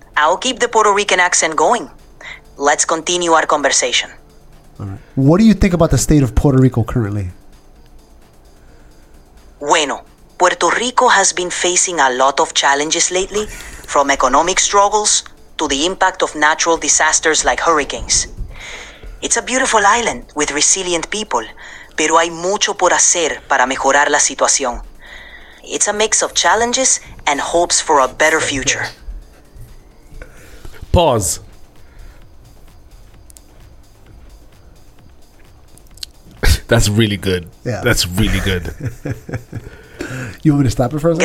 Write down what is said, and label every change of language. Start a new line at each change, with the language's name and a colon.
English: I'll keep the Puerto Rican accent going. Let's continue our conversation. All right. What do you think about the state of Puerto Rico currently? Bueno, Puerto Rico has been facing a lot of challenges lately, from economic struggles to the impact of natural disasters like hurricanes. It's a beautiful island with resilient people,
Spanish: pero hay mucho por hacer para mejorar la situación.
English: It's a mix of challenges and hopes for a better future. Pause. That's really good. Yeah. That's really good. You want me to stop it for a second?